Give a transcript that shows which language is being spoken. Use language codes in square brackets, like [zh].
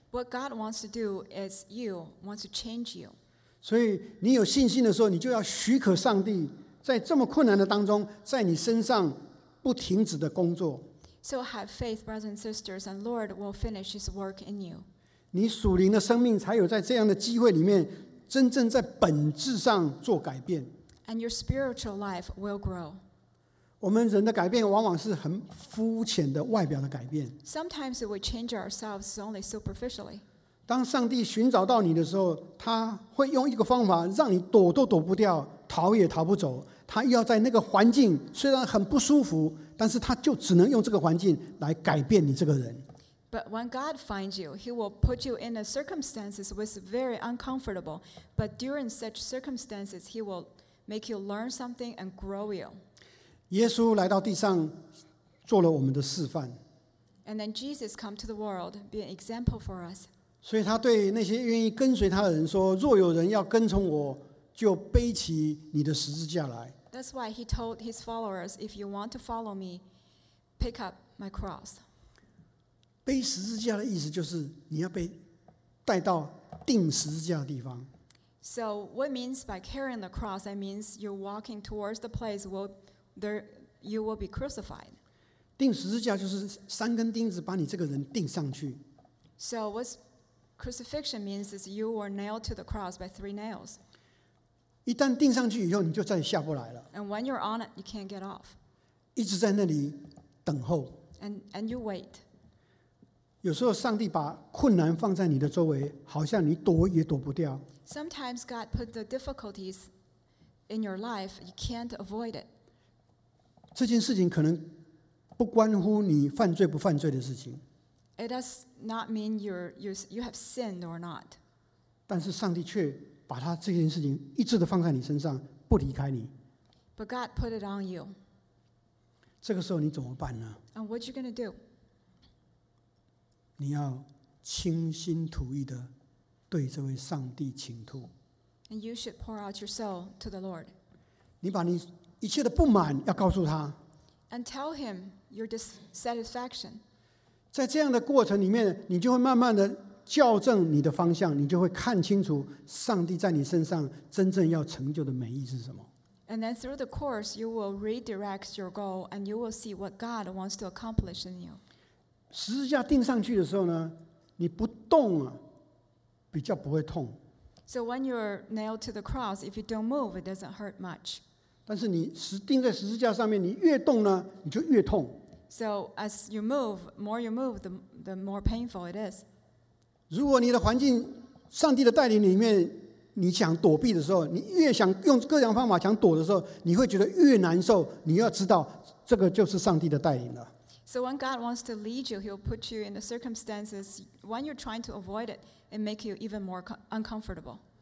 [en] What God wants to do is you wants to change you. [zh] 所以你有信心的时候，你就要许可上帝在这么困难的当中，在你身上不停止的工作。 [en] So have faith, brothers and sisters, and Lord will finish His work in you. [zh] 你属灵的生命才有在这样的机会里面，真正在本质上做改变。 [en] And your spiritual life will grow. [zh] 我们人的改变往往是很肤浅的外表的改变。 [en] Sometimes we change ourselves only superficially. [zh] 当上帝寻找到你的时候，他会用一个方法让你躲都躲不掉，逃也逃不走。他要在那个环境虽然很不舒服，但是他就只能用这个环境来改变你这个人。 [en] But when God finds you, He will put you in a circumstances which is very uncomfortable. But during such circumstances, He will make you learn something and grow you. [zh] 耶稣来到地上做了我们的示范。 [en] And then Jesus come to the world, be an example for us. [zh] 所以他对那些愿意跟随他的人说，若有人要跟从我，就背起你的十字架来。 [en] That's why he told his followers, if you want to follow me, pick up my cross. [zh] 背十字架的意思就是你要被带到钉十字架的地方。 [en] So what it means by carrying the cross, that means you're walking towards the place where there, you will be crucified. [zh] 钉十字架就是三根钉子把你这个人钉上去。 [en] So what crucifixion means is you were nailed to the cross by three nails. [zh] 一旦钉上去以后你就再也下不来了。 [en] And when you're on it, you can't get off. [zh] 一直在那里等候。 [en] And you wait. [zh] 有时候上帝把困难放在你的周围，好像你躲也躲不掉。 [en] Sometimes God put the difficulties in your life, you can't avoid it. [zh] 这件事情可能不关乎你犯罪不犯罪的事情。 [en] It does not mean you have sinned or not. [zh] 但是上帝却把他这件事情一直的放在你身上，不离开你。 [en] But God put it on you. [zh] 这个时候你怎么办呢？ [en] And what you gonna do? [zh] 你要倾心吐意的对这位上帝倾吐。 [en] And you should pour out your soul to the Lord. [zh] 你把你一切的不满要告诉他。 [en] And tell him your dissatisfaction. [zh] 在这样的过程里面，你就会慢慢的校正你的方向，你就会看清楚上帝在你身上真正要成就的美意是什么。 [en] And then through the course, you will redirect your goal, and you will see what God wants to accomplish in you. [zh] 十字架钉上去的时候呢，你不动啊，比较不会痛。 [en] So when you're nailed to the cross, if you don't move, it doesn't hurt much. [zh] 但是你钉在十字架上面，你越动呢，你就越痛。 [en] So as you move, more you move, the more painful it is. [zh] 如果你的环境，上帝的带领里面，你想躲避的时候，你越想用各种方法想躲的时候，你会觉得越难受。你要知道，这个就是上帝的带领了。 [en] So when God wants to lead you, He'll put you in the circumstances. When you're trying to avoid it, it makes you even more uncomfortable.